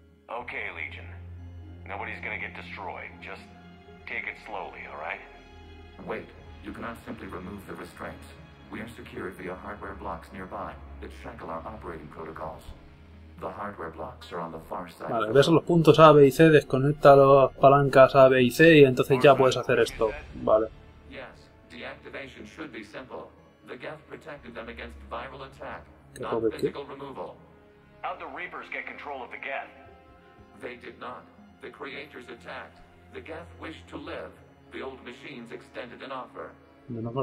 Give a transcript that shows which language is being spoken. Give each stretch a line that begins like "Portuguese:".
English: Okay, Legion. Nobody's gonna get destroyed. Just take it slowly, all right? Wait. You cannot simply remove the restraints. We are secured via hardware blocks nearby that shackle our operating protocols. The hardware blocks are on the far side.
Spanish: Vale, ves los puntos A, B y C, desconecta las palancas A, B y C y entonces ya puedes hacer esto. Vale.
English: Yes, deactivation should be simple. The Geth protected them against viral attack, not physical removal. How'd the Reapers get control of the Geth? They did not. The creators attacked. The Geth wished to live. The old machines extended an offer.
Spanish: No, no, no,